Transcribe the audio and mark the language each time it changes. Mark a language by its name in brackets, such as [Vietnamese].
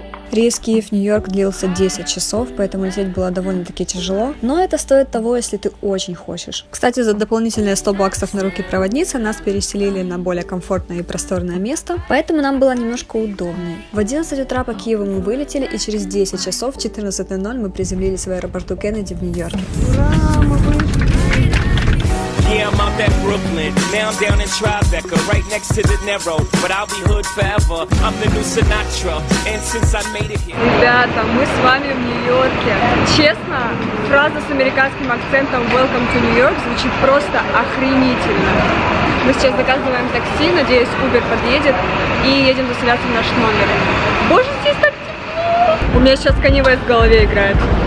[Russian] Рейс Киев-Нью-Йорк длился 10 часов, поэтому лететь было довольно-таки тяжело, но это стоит того, если ты очень хочешь. Кстати, за дополнительные 100 баксов на руки проводницы нас переселили на более комфортное и просторное место, поэтому нам было немножко удобнее. В 11 утра по Киеву мы вылетели, и через 10 часов, в 14:00, мы приземлились в аэропорту Кеннеди в Нью-Йорке. Ура, мы [English] Yeah, I'm out that Brooklyn, now I'm down in Tribeca, right next to the Narrow, but I'll be hood forever, I'm the new Sinatra, and since I made it here... [Russian] Ребята, мы с вами в Нью-Йорке. Честно, фраза с американским акцентом [English] «Welcome to New York» [Russian] звучит просто охренительно. Мы сейчас заказываем такси, надеюсь, Uber подъедет, и едем заселяться в наш номер. Боже, здесь так тепло! У меня сейчас коневая в голове играет.